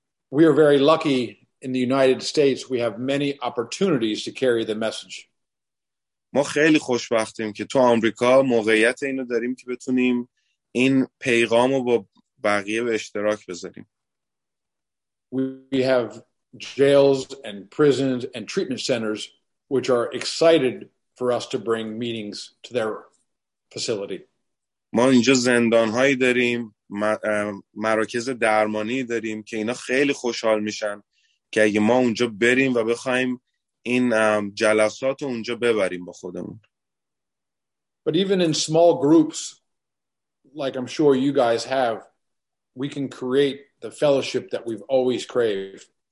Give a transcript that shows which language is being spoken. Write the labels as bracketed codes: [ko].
[en] We are very lucky in the United States, we have many opportunities to carry the message. [fa] ما خیلی خوشبختیم که تو آمریکا موقعیت اینو داریم که بتونیم این پیغامو با بقیه به اشتراک بذاریم. [en] We have jails and prisons and treatment centers which are excited for us to bring meetings to their facility. [fa] ما اینجا زندان‌هایی داریم، مراکز درمانی داریم که اینا خیلی خوشحال میشن که اگه ما اونجا بریم و بخوایم این جلسات رو اونجا ببریم با خودمون. [en] But even in small groups like I'm sure you guys have, we can create the fellowship that we've always craved.